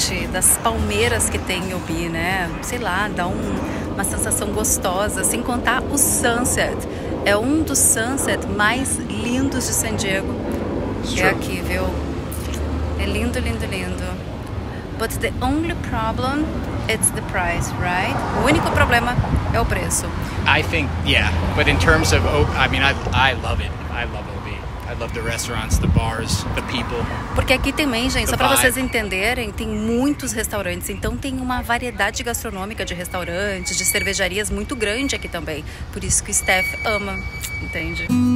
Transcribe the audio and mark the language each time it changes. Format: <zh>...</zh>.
<pt>Das palmeiras que tem em Obi, né? Sei lá, dá uma sensação gostosa. Sem contar o sunset. É um dos sunsets mais lindos de San Diego. Que é aqui, viu? É lindo, lindo, lindo.</pt> <en>But the only problem is the price, right?</en> <pt>O único problema é o preço.</pt> <en>I think, yeah. But in terms of Obi, I mean, I love it. I love Obi. I love the restaurants, the bars, the people.</en> <pt>Porque aqui também, gente, só pra vocês entenderem, tem muitos restaurantes. Então tem uma variedade gastronômica de restaurantes, de cervejarias muito grande aqui também. Por isso que o Steph ama, entende?</pt>